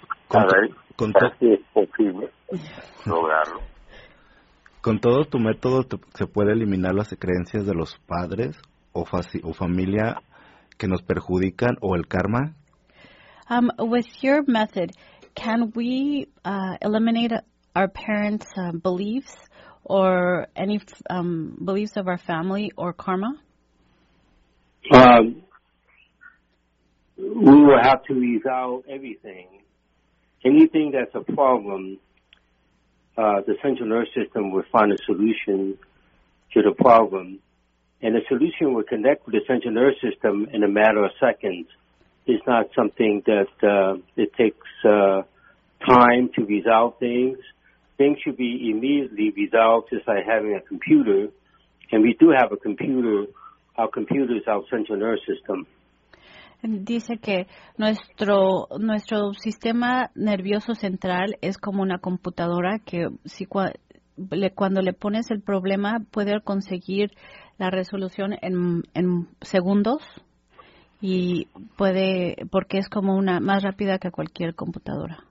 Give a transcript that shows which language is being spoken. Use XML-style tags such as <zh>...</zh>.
<es>Con todo tu método se puede eliminar las creencias de los padres o familia que nos perjudican o el karma.</es> <en>With your method, can we eliminate our parents' beliefs or any beliefs of our family or karma? We will have to resolve everything. Anything that's a problem, the central nervous system will find a solution to the problem. And the solution will connect with the central nervous system in a matter of seconds. It's not something that it takes time to resolve things. Things should be immediately resolved, just like having a computer. And we do have a computer. Our computer is our central nervous system.</en> <es>Dice que nuestro sistema nervioso central es como una computadora que cuando le pones el problema puede conseguir la resolución en segundos y puede porque es como una más rápida que cualquier computadora.</es>